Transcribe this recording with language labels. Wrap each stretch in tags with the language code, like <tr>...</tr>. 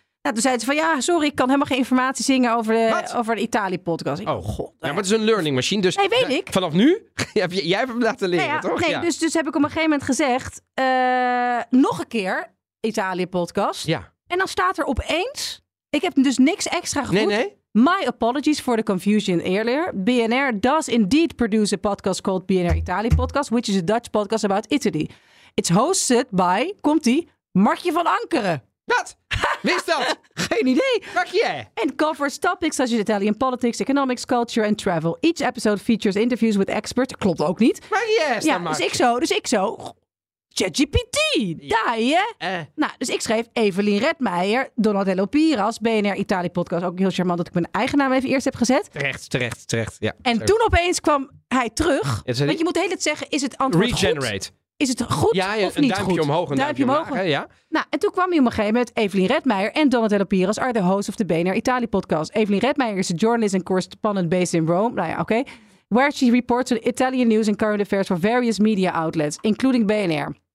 <nl>Toen zeiden ze van, sorry, ik kan helemaal geen informatie zingen over de Italië podcast. Ja, maar het is een learning machine. Dus weet ik. Vanaf nu? Jij hebt hem laten leren, toch? Nee, ja. Dus heb ik op een gegeven moment gezegd, nog een keer Italië podcast. Ja. En dan staat er opeens... Ik heb dus niks extra gehoord. Nee.</nl> <en>My apologies for the confusion earlier. BNR does indeed produce a podcast called BNR Italy Podcast, which is a Dutch podcast about Italy. It's hosted by, Markje van Ankeren.</en> <nl>Wat? Wie is dat? Geen idee. Markje.</nl> <en>And covers topics such as Italian politics, economics, culture and travel. Each episode features interviews with experts.</en> <nl>Klopt ook niet. Markje. Ja, dus ik zo. ChatGPT, daar je. Dus ik schreef Evelien Redmeijer, Donatello Piras, BNR Italië podcast. Ook heel charmant dat ik mijn eigen naam even eerst heb gezet. Terecht. Ja. En toen opeens kwam hij terug. Want je moet de hele tijd zeggen, is het antwoord regenerate. Goed? Is het goed of niet goed? Ja, een duimpje omhoog. Ja. En toen kwam hij op een gegeven moment, Evelien Redmeijer en Donatello Piras</nl> <en>are the hosts of the BNR Italië podcast. Evelien Redmeijer is a journalist and correspondent based in Rome. Where she reports on Italian news and current affairs for various media outlets, including BNR.</en>